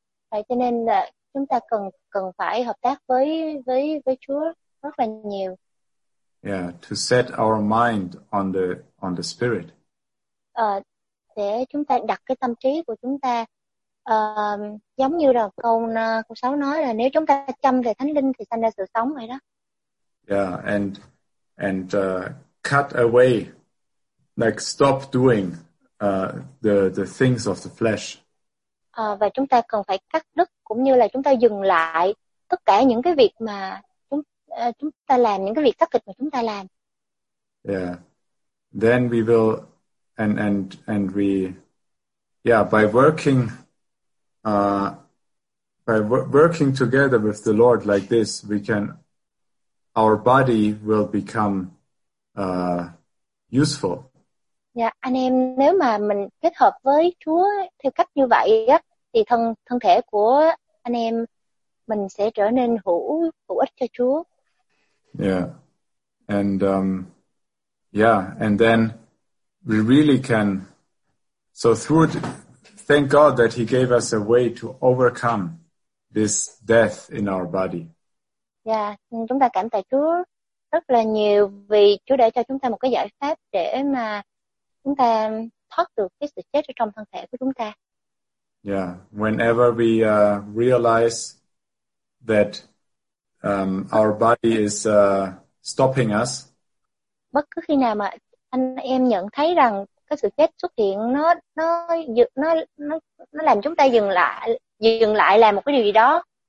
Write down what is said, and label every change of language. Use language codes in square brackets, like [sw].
[vi] Vậy cho nên là chúng ta cần phải hợp tác với Chúa rất là nhiều. [en] Yeah, to set our mind on the Spirit. [vi] Để chúng ta đặt cái tâm trí của chúng ta giống như là câu 6 nói là nếu chúng ta chăm về Thánh Linh thì sanh ra sự sống vậy đó. [en] Yeah, and cut away, like stop doing the things of the flesh. [vi] Và chúng ta cần phải cắt đứt cũng như là chúng ta dừng lại tất cả những cái việc mà chúng ta làm, những cái việc tác kịch mà chúng ta làm. [en] Yeah. Then we will and we yeah, by working working together with the Lord like this, our body will become useful. [vi] Yeah, anh em, nếu mà mình kết hợp với Chúa theo cách như vậy á, thì thân thể của anh em mình sẽ trở nên hữu ích cho Chúa. [en] Yeah. And and then we really can, so through, thank God that he gave us a way to overcome this death in our body. [vi] Yeah, chúng ta cảm tạ Chúa rất là nhiều vì Chúa đã cho chúng ta một cái giải pháp để mà chúng ta thoát được cái sự chết ở trong thân thể của chúng ta. [en] Yeah, whenever we realize that our body is stopping us. [vi] Bất cứ khi nào mà anh em nhận thấy rằng cái sự chết xuất hiện nó làm chúng ta dừng lại làm một cái điều gì đó.